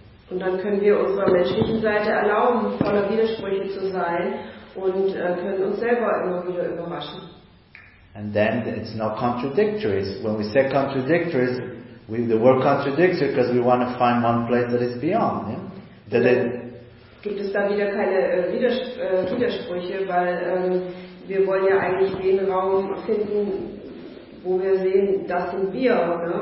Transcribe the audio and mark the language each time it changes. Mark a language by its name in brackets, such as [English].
[German] Und dann können wir unserer menschlichen Seite erlauben, voller Widersprüche zu sein und können uns selber immer wieder überraschen. [English] And then it's not contradictories. When we say contradictories, the word contradicts it because we want to find one place that is beyond. Yeah? [German] Gibt es da wieder keine Widersprüche, weil wir wollen ja eigentlich den Raum finden, wo wir sehen, das sind wir. Ne?